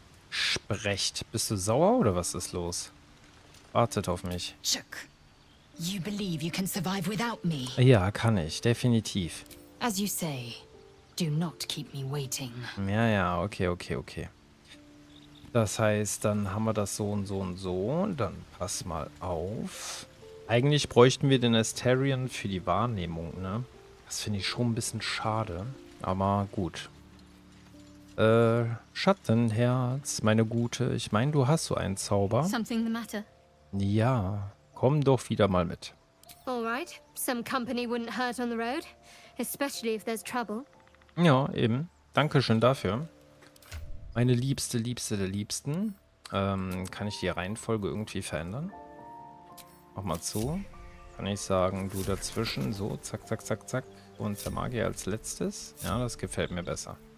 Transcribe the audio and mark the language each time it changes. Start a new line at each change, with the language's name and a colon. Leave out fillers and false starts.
German: Sprecht. Bist du sauer oder was ist los? Wartet auf mich.
English: Chuck, you believe you can survive without me?
German: Ja, kann ich. Definitiv.
English: As you say, do not keep me waiting.
German: Ja, ja, okay. Das heißt, dann haben wir das so und so und so. Dann pass mal auf. Eigentlich bräuchten wir den Asterion für die Wahrnehmung, ne? Das finde ich schon ein bisschen schade. Aber gut. Schattenherz, meine Gute. Ich meine, du hast so einen Zauber.
English: Something the matter?
German: Ja, komm doch wieder mal mit.
English: All right. Some company wouldn't hurt on the road. Especially if there's trouble.
German: Ja, eben. Dankeschön dafür. Meine Liebste, Liebste der Liebsten. Kann ich die Reihenfolge irgendwie verändern? Mach mal zu. Kann ich sagen, du dazwischen. So, zack, zack, zack, zack. Und der Magier als Letztes. Ja, das gefällt mir besser.